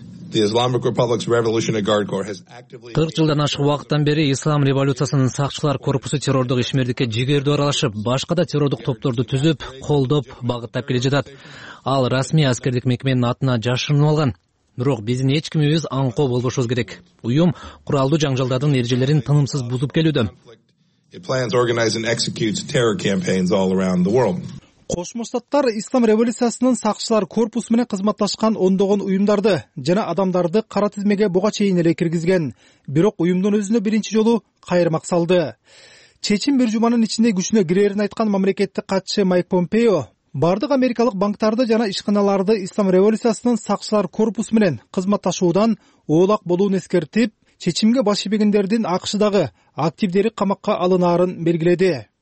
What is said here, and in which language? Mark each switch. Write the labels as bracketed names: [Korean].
[English] The Islamic Republic's Revolutionary Guard Corps has actively [Kyrgyz] 40 жылдан ашык убакыттан бери Ислам революциясынын сакчылар корпусу террордук ишмердикке жигердүү аралашып, башка да террордук топторду түзүп, колдоп, багыттап келе жатат. Ал расмий аскердик мекеменин атына жашырынып алган. Бирок биздин эч кимибиз аңкоо болбошубуз керек. Уюм куралдуу жаңжалдардын эрежелерин тынымсыз бузуп келүүдө. [English] It plans, organizes and executes terror campaigns all around the world. [Kyrgyz] Кошмо Штаттар Ислам революциясынын сакчылар корпусу менен кызматташкан ондогон уюмдарды жана адамдарды кара тизмеге буга чейин эле киргизген, бирок уюмдун өзүнө биринчи жолу кайырмак салды. Чечим бир жуманын ичинде күчүнө кирэрин айткан мамлекеттик катчы Майк Помпео бардык америкалык банктарды жана ишканаларды Ислам революциясынын сакчылар корпусу менен кызматташуудан оолак болуун эскертип, чечимге баш ийбегендердин АКШдагы активдери камакка алынаарын белгиледи.